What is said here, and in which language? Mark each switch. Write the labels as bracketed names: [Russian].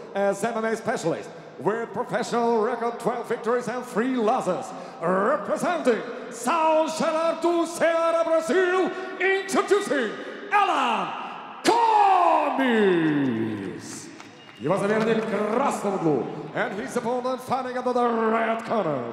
[English] As MMA specialist, with professional record 12 victories and 3 losses, representing São Gerardo do Ceará, Brazil, introducing Alan Gomes! [Russian] Его соперник в красном углу. [English] And his opponent fighting under the red corner.